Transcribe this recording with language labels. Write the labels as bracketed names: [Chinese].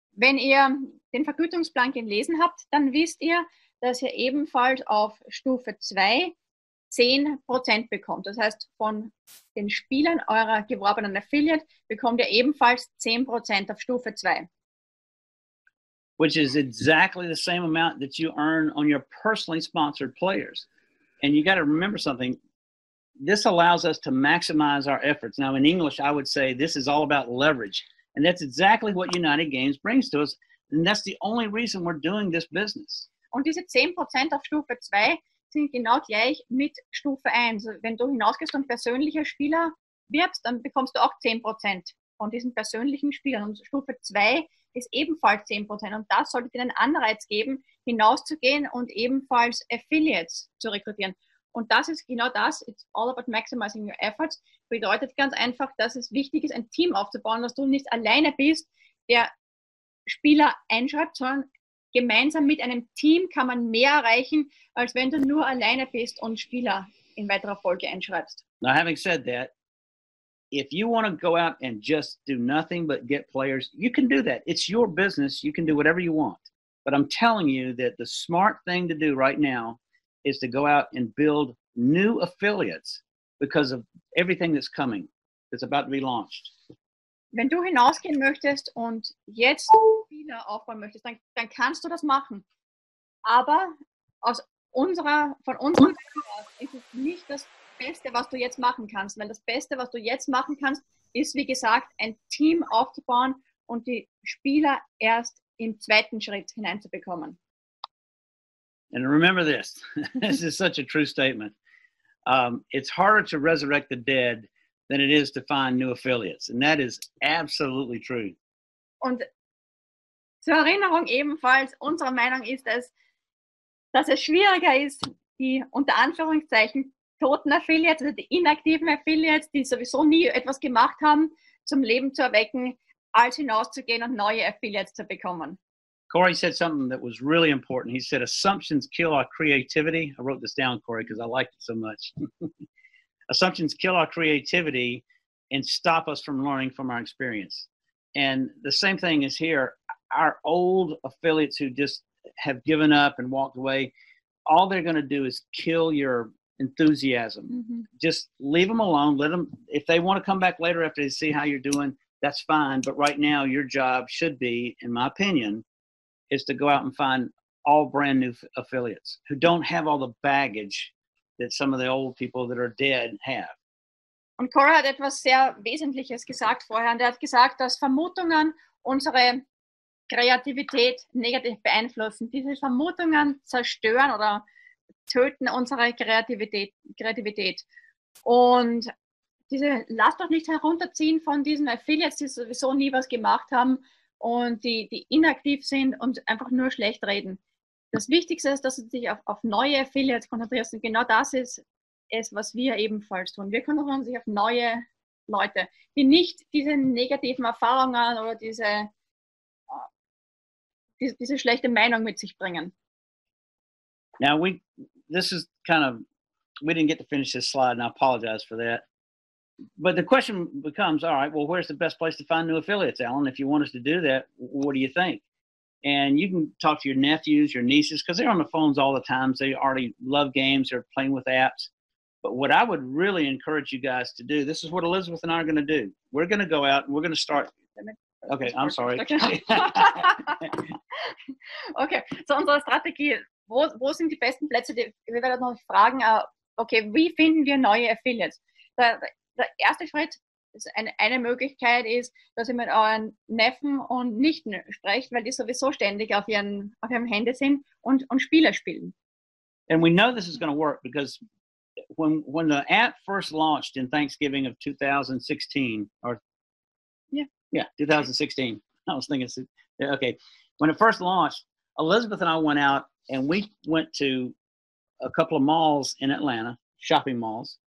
[German] Wenn ihr den Vergütungsplan gelesen habt, dann wisst ihr, dass ihr ebenfalls auf Stufe 2 10% bekommt. Das heißt, von den Spielern eurer geworbenen Affiliate bekommt ihr ebenfalls 10% auf Stufe 2. [English] Which is exactly the same amount that you earn on your personally sponsored players. And you got to remember something. This allows us to maximize our efforts. Now, in English, I would say this is all about leverage. And that's exactly what United Games brings to us. And that's the only reason we're doing this business. [German] Und diese 10% auf Stufe 2 sind genau gleich mit Stufe 1. Wenn du hinausgehst und persönliche Spieler wirbst, dann bekommst du auch 10% von diesen persönlichen Spielern. Und Stufe 2 ist ebenfalls 10%. Und das sollte dir einen Anreiz geben, hinauszugehen und ebenfalls Affiliates zu rekrutieren. Und das ist genau das, [English] it's all about maximizing your efforts, [German] bedeutet ganz einfach, dass es wichtig ist, ein Team aufzubauen, dass du nicht alleine bist, der Spieler einschreibt, sondern gemeinsam mit einem Team kann man mehr erreichen, als wenn du nur alleine bist und Spieler in weiterer Folge einschreibst. [English] Now having said that, if you want to go out and just do nothing but get players, you can do that. It's your business. You can do whatever you want. But I'm telling you that the smart thing to do right now is to go out and build new affiliates because of everything that's coming, that's about to be launched. [German] Wenn du hinausgehen möchtest und jetzt Spieler aufbauen möchtest, dann kannst du das machen. Aber von unserem aus ist es nicht das Beste, was du jetzt machen kannst. Weil das Beste, was du jetzt machen kannst, ist, wie gesagt, ein Team aufzubauen und die Spieler erst im zweiten Schritt hineinzubekommen. [English] And remember this. This is such a true statement. It's harder to resurrect the dead than it is to find new affiliates. And that is absolutely true. [German] Und zur Erinnerung ebenfalls, unsere Meinung ist es, dass es schwieriger ist, die unter Anführungszeichen toten Affiliates, also die inaktiven Affiliates, die sowieso nie etwas gemacht haben, zum Leben zu erwecken, als hinauszugehen und neue Affiliates zu bekommen. [English] Corey said something that was really important. He said, assumptions kill our creativity. I wrote this down, Corey, because I liked it so much. Assumptions kill our creativity and stop us from learning from our experience. And the same thing is here. Our old affiliates who just have given up and walked away, all they're going to do is kill your enthusiasm. Mm-hmm. Just leave them alone. Let them, if they want to come back later after they see how you're doing, that's fine. But right now, your job should be, in my opinion, is to go out and find all brand new affiliates who don't have all the baggage that some of the old people that are dead have. [German] Und Cora hat etwas sehr Wesentliches gesagt vorher. Und er hat gesagt, dass Vermutungen unsere Kreativität negativ beeinflussen. Diese Vermutungen zerstören oder töten unsere Kreativität. Und diese, lasst doch nicht herunterziehen von diesen Affiliates, die sowieso nie was gemacht haben und die inaktiv sind und einfach nur schlecht reden. Das Wichtigste ist, dass du dich auf neue Affiliates konzentrierst. Und genau das ist es, was wir ebenfalls tun. Wir konzentrieren uns auf neue Leute, die nicht diese negativen Erfahrungen oder diese schlechte Meinung mit sich bringen. [English] Now, we didn't get to finish this slide, and I apologize for that. But the question becomes, all right, well, where's the best place to find new affiliates, Alan? If you want us to do that, what do you think? And you can talk to your nephews, your nieces, because they're on the phones all the time. So they already love games. They're playing with apps. But what I would really encourage you guys to do, this is what Elizabeth and I are going to do. We're going to go out and we're going to start. Okay, I'm sorry. [German] Okay, so unsere Strategie, wo sind die besten Plätze? Wir werden noch fragen, okay, wie finden wir neue Affiliates? Der erste Schritt, eine Möglichkeit ist, dass ihr mit euren Neffen und Nichten sprecht, weil die sowieso ständig auf ihrem Handy sind und Spiele spielen. [English] And we know this is going to work because when the app first launched in Thanksgiving of 2016, or yeah, 2016, I was thinking, okay, when it first launched, Elizabeth and I went out and we went to a couple of malls in Atlanta, shopping malls.